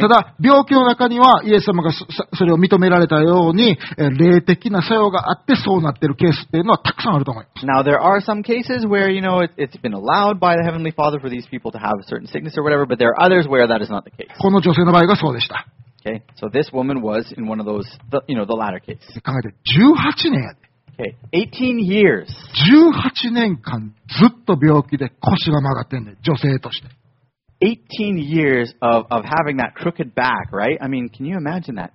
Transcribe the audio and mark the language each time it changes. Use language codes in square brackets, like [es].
[ja] ただ、病気の中にはイエス様がそれを認められたように、霊的な作用があってそうなってるケースっていうのはたくさんあると思います。 [en] Now, there are some cases where, you know, it's been allowed by the Heavenly Father for these people to have a certain sickness or whatever, but there are others where that is not the case. [ja] この女性の場合がそうでした。 [en] Okay, so this woman was in one of those, you know, the latter case. [ja] 考えて、18年やで。 [en] 18 years. [ja] 18年間ずっと病気で腰が曲がってんね、女性として。 [en] 18 years of having that crooked back, right? I mean, can you imagine that?